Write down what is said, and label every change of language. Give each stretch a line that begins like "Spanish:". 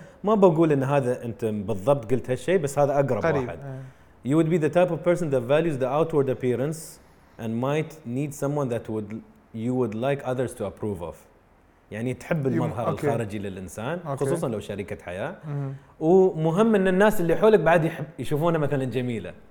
Arabic: ما بقول إن هذا أنت بالضبط قلت هالشيء بس هذا أقرب واحد.
English: You would be the type of person that values the outward appearance. And might need someone that would you would like others to approve of.
Arabic: يعني تحب المظهر okay. الخارجي للإنسان okay. خصوصا لو شريكة حياة. ومهم إن الناس اللي حولك بعد يشوفونه مثلا جميلة.